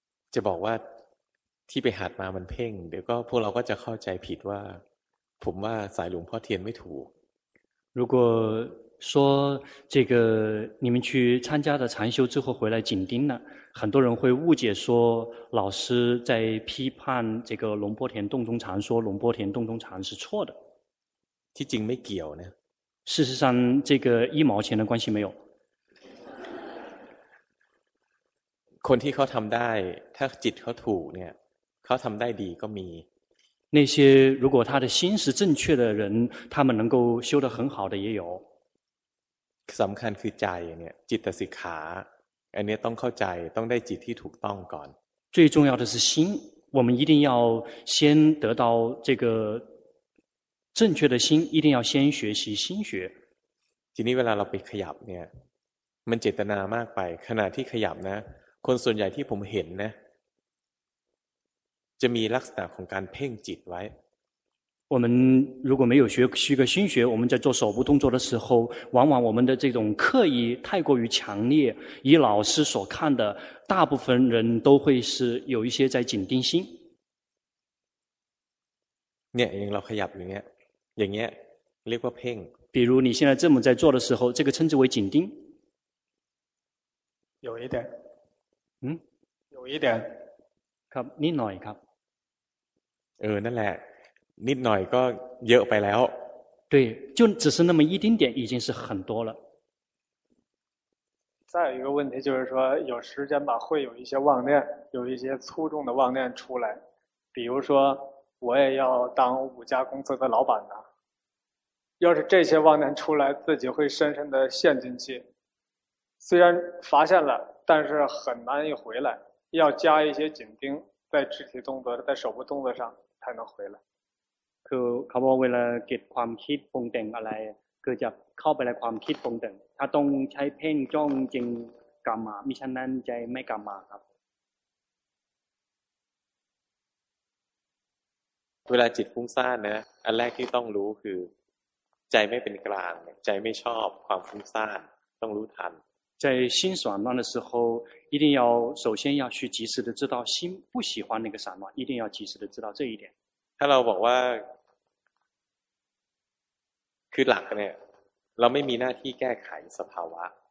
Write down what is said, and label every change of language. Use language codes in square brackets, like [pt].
[zh] 这宝万 [th] ที่ไปหัดมามันเพ่งเดี๋ยวก็พวกเราก็จะเข้าใจผิดว่าผมว่าสายหลวงพ่อเทียนไม่ถูก [zh] 如果说这个你们去参加的禅修之后回来紧盯了很多人会误解说老师在批判这个龙波田洞中禅说龙波田洞中禅是错的 [th] ที่จริงไม่เกี่ยวนะ [zh] 事实上这个一毛钱的关系没有 [th] คนที่เขาทำได้ถ้าจิตเขาถูกเนี่ยเขาทำได้ดีก็มี [zh] 那些如果他的心是正确的人他们能够修得很好的也有 [th] สำคัญคือใจเนี่ยจิตสิกขาันนี้ต้องเข้าใจต้องได้จิตที่ถูกต้องก่อน [zh] 最重要的是心我们一定要先得到这个正确的心一定要先学习心学 [th] ทีนี้เวลาเราไปขยับเนี่ยมันเจตนามากไปขณะที่ขยับนะคนส่วนใหญ่ที่ผมเห็นนะจะมีลักษณะของการเพ่งจิตไว้ [zh] 我们如果没有学习个心学我们在做手部动作的时候往往我们的这种刻意太过于强烈以老师所看的大部分人都会是有一些在紧盯心 [th] เนี่ยอย่างเราขยับอย่างเงี้ยอย่างเงี้ยเรียกว่าเพ่ง [zh] 比如你现在这么在做的时候这个称之为紧盯有一点嗯有一点 [th] ครับนิดหน่อยครับ เออนั่นแหละนิดหน่อยก็เยอะไปแล้ว [zh] 对就只是那么一丁点已经是很多了再有一个问题就是说有时间吧会有一些妄念有一些粗重的妄念出来比如说我也要当五家公司的老板呢要是这些妄念出来自己会深深的陷进去虽然发现了但是很难以回来要加一些紧盯在肢体动作在手部动作上才能回来 [th] คือเขาบอกเวลาเกิดความคิดปรุงแต่งอะไรก็จะเข้าไปในความคิดปรุงแต่งถ้าต้องใช้เพ่งจ้องจริงกรรมมามิฉะนั้นใจไม่กรรมมาครับ เวลาจิตฟุ้งซ่านนะอันแรกที่ต้องรู้คือใจไม่เป็นกลางใจไม่ชอบความฟุ้งซ่านต้องรู้ทัน [zh] 在心散乱的时候一定要首先要去及时的知道心不喜欢那个散乱一定要及时的知道这一点 [th] ถ้าเราบอกว่าคือหลักเนี่ยเราไม่มีหน้าที่แก้ไขสภาวะ